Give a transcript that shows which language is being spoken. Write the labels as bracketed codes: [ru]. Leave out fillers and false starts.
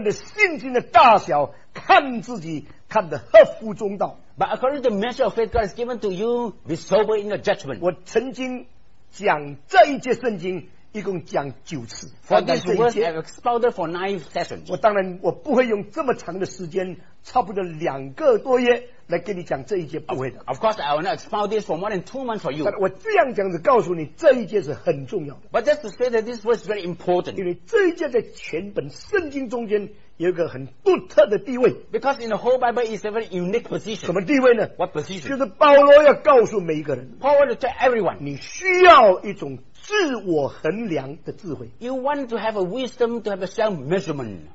[zh] 来要靠着上帝所赐给个人的信心的大小, 看自己, 看得合乎中道。 [en] But according to the measure of faith God has given to you, be sober in your judgment. [zh] 我曾经讲这一节圣经, 一共讲九次, [en] for this verse I have expounded for 9 sessions. [zh] 我当然我不会用这么长的时间, 差不多2个多月, 来给你讲这一节, [en] of course, I will not expound this for more than 2 months for you. [zh] 我这样讲着告诉你, 这一节是很重要的。 [en] But just to say that this verse is very important. [zh] 因为这一节在全本圣经中间, 有一个很独特的地位, [en] because in the whole Bible it's a very unique position. [zh] 什么地位呢? [en] What position? [zh] 就是保罗要告诉每一个人, [en] Paul will tell everyone, [zh] 你需要一种自我衡量的智慧。 [en] You want to have a wisdom to have a self-measurement.